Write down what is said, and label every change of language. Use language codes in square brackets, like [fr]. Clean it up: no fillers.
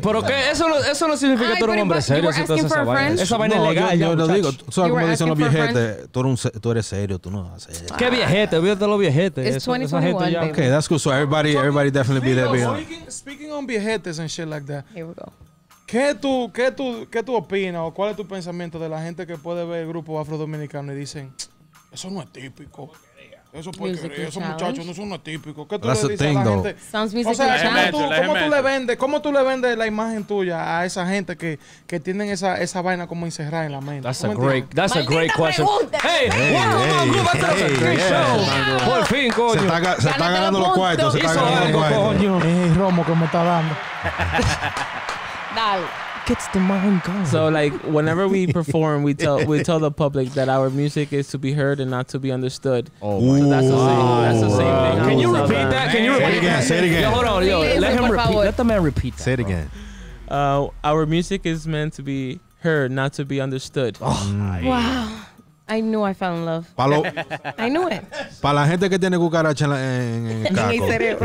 [es] Pero que eso no significa que tú eres un hombre serio. [en] You were asking for a friend? [es] Eso va ilegal. Yo lo digo. Tú sabes como dicen los viejetes. Tú eres serio, tú no vas a ser. Qué viejete, olvídate de los viejetes. [en] It's 2021. Baby. Okay, that's cool. So everybody definitely be there. Speaking on viejetes and shit like that. Here we go. [es] ¿Qué tú opinas o cuál es tu pensamiento de la gente que puede ver el grupo Afro Dominicano y dicen, eso no es típico? Eso porque esos muchachos no son típicos. ¿Qué tú le dices a la gente? [en] Sounds music, o sea, challenge. [es] ¿Cómo tú le vendes la imagen tuya a esa gente que tienen esa vaina como encerrada en la mente? [en] That's a great question. Hey, [es] por fin, coño. Se está ganando los cuartos. Hey, Romo, ¿cómo está dando? Dale. [en] Gets the mind going. So like whenever we perform, we tell the public that our music is to be heard and not to be understood. Oh, so that's the same thing. Can you repeat that? Say it again. Yo, hold on, yo. Let him repeat. Let the man repeat that. Say it again. Our music is meant to be heard, not to be understood. Oh, wow. I knew I fell in love. I knew it. [es] Para la gente que tiene cucaracha en el caco.